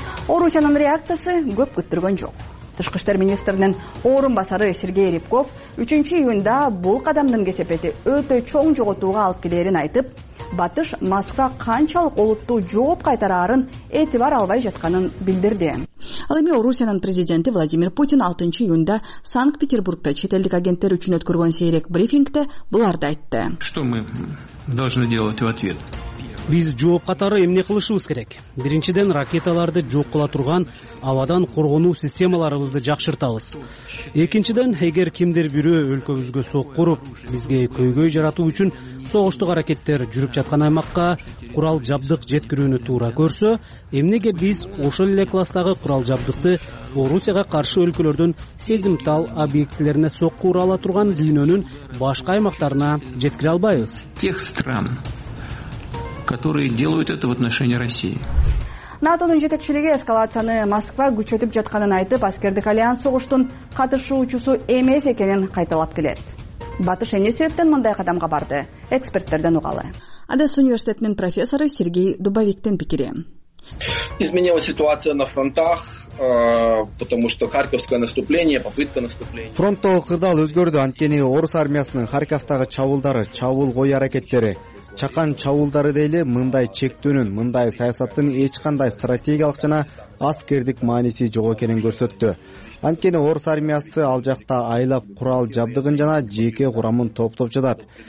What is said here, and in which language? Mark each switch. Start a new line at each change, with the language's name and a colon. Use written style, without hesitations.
Kyrgyz: Орусиянын реакциясы көп күттүргөн жок. Тышкы иштер министринин орун басары Сергей Рябков 3-июнда бул кадамдын кесепети өтө чоң жоготууга алып келерин айтып, батыш Москва канчалык олуттуу жооп кайтарарын этибар албай жатканын билдирди. Ал эми Орусиянын президенти Владимир Путин 6-июнда Санкт-Петербургда чет элдик агенттер үчүн өткөргөн сейрек брифингде буларды айтты.
Russian: Что мы должны делать в ответ?
Kyrgyz: Биз жооп катары эмне кылышыбыз керек? Биринчиден ракеталарды жок кыла турган абадан коргонуу системаларыбызды жакшыртабыз. Экинчиден эгер кимдир бирөө өлкөбүзгө сокку уруп, бизге көйгөй жаратуу үчүн согуштук аракеттер жүрүп жаткан аймакка курал жабдык жеткирүүнү туура көрсө, эмнеге биз ошол эле класстагы курал жабдыкты Орусияга каршы өлкөлөрдүн сезимтал объектилерине сокку ура ала турган дүйнөнүн башка аймактарына жеткире албайбыз?
Russian: Тех стран, которые делают это в отношении России.
Kyrgyz: НАТОнун жетекчилиги эскалацияны Москва күчөтүп жатканын айтып, аскердик альянс согуштун катышуучусу эмес экенин кайталап келет. Батыш эмне себептен мындай кадамга барды? Эксперттерден угалы. Одесса университетинин профессору Сергей Дубовиктин пикири.
Russian: Изменилась ситуация на фронтах, потому что Харьковское наступление, попытка наступления.
Kyrgyz: Фронтто кырдал өзгөрдү, анткени орус армиясынын Харьковтагы чабуулдары, чабуул кой аракеттери, чакан чабуулдары дейли мындай чектөөнүн, мындай саясаттын эч кандай стратегиялык жана аскердик мааниси жок экенин көрсөттү. Анткени орус армиясы ал жакта айлап курал жабдыгын жана жеке курамын топтоп жатат.